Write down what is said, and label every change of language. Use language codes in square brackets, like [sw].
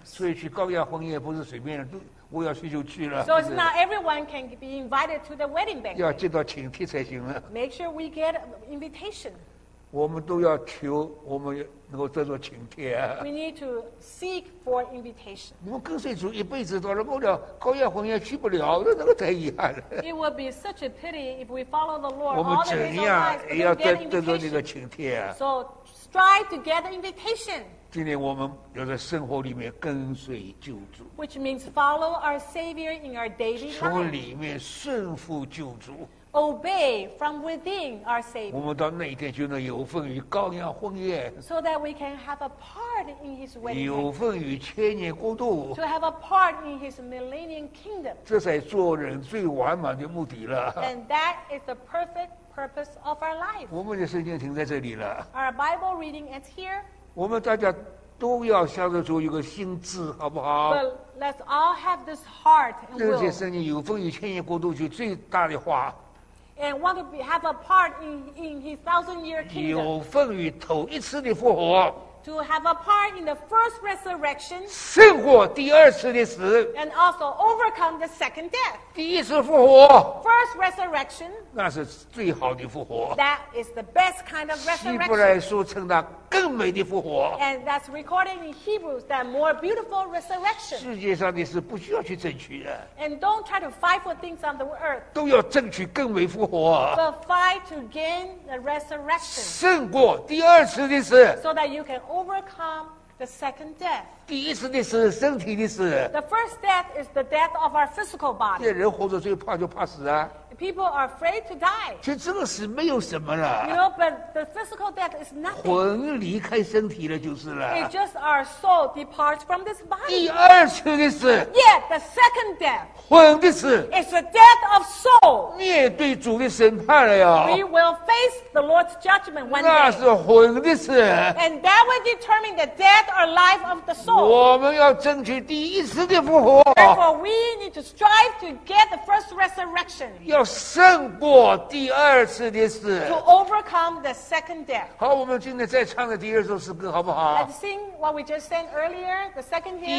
[zh] 所以去羔羊婚宴不是随便的我要去就去了 [en] so it's not everyone can be invited to the wedding banquet [zh] 要接到请帖才行了 [en] make sure we get invitation [zh] 我们都要求我们能够得到请帖、啊、 [en] We need to seek for invitation. [zh] 我们跟随主一辈子到了末了羔羊婚宴去不了那个太遗憾了。 [en] It would be such a pity if we follow the Lord [zh] 我们怎样也要得到那个请帖、啊、 [en] So strive to get the invitation. [zh] 今天我们要在生活里面跟随救主。 [en] Which means follow our Savior in our daily life. [zh] 从里面顺服救主。 [en] Obey from within our Savior. [zh] 我们到那一天就能有份于羔羊婚宴。 [en] So that we can have a part in His wedding. [zh] 有份于千年国度。 [en] To have a part in His millennium kingdom. [zh] 这才做人最完满的目的了。 [en] And that is the perfect purpose of our life. [zh] 我们的圣经停在这里了。 [en] Our Bible reading ends here. [zh] 我们大家都要向着主有个心志，好不好？ [en] But let's all have this heart and will. [zh] 这些圣经有份于千年国度，就最大的话。 [en] And want to be, have a part in his 1,000-year kingdom. [zh] 有份于头一次的复活。 [en] To have a part in the first resurrection. [zh] 胜过第二次的死。 [en] And also overcome the second death. [zh] 第一次复活。 [en] First resurrection. [zh] 那是最好的复活。 [en] That is the best kind of resurrection. [zh] 希伯来书称它更美的复活。 [en] And that's recorded in Hebrews, that more beautiful resurrection. [zh] 世界上的事不需要去争取的。 [en] And don't try to fight for things on the earth. [zh] 都要争取更美复活。 [en] But fight to gain the resurrection. [zh] 胜过第二次的死。 [en] So that you can overcome the second death. [zh] 第一次的死，身体的死。 [en] The first death is the death of our physical body. [zh] 这人活着最怕就怕死啊。 [en] People are afraid to die. [zh] 其实这个死没有什么了。 [en] You know, but the physical death is nothing. [zh] 魂离开身体了就是了。 [en] It's just our soul departs from this body. [zh] 第二次的死。 [en] Yet, the second death. [zh] 魂的死。 [en] It's the death of soul. [zh] 面对主的审判了呀。 [en] We will face the Lord's judgment one day. [zh] 那是魂的死。 [en] And that will determine the death or life of the soul. [zh] 我们要争取第一次的复活。 [en] Therefore, we need to strive to get the first resurrection. [zh] 要胜过第二次的死。 [en] To overcome the second death. [zh] 好，我们今天再唱的第二首诗歌，好不好 [en] ？Let's sing what we just sang earlier, the second hymn.